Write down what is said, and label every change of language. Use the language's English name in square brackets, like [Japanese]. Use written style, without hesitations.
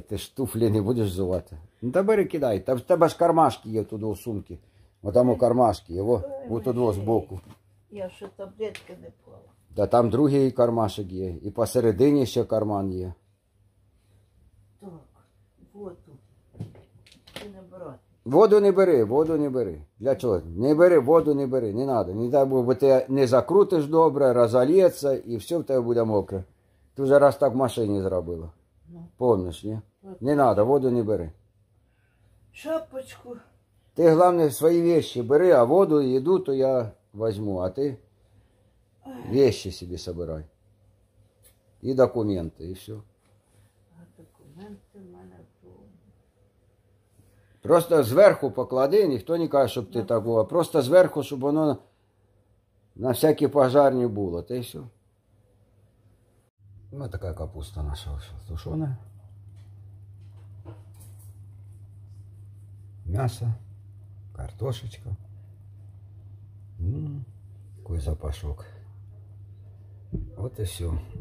[Ukrainian] Ти ж туфлі не будеш зувати. Ну, та бери, кидай. Там в тебе ж кармашки є туди у сумки. Отам у кармашки. Його, отуди з боку. Я ще таблетки не пила. Та там другий кармашек є, і посередині ще карман є. Так, воду. Ти не брати. Воду не бери, воду не бери. Для чого? Не бери, воду не бери, не треба. Не треба, бо ти не закрутиш добре, розольється, і все в тебе буде мокре. Ти вже раз так в машині зробила. Ну. Помниш, ні? От. Не треба, воду не бери. Шапочку. Ти, головне, свої речі бери, а воду, їду, то я візьму, а ти... [Russian] Вещи себе собирай. И документы, и все. А документы у меня дома. [Ukrainian] Просто зверху поклади, ніхто не каже, щоб ти так було. Просто зверху, щоб воно на всякі пожарні було. Та й все. Ну, така капуста наша тушена. М'ясо, картошечка. Який запашок. Вот и все.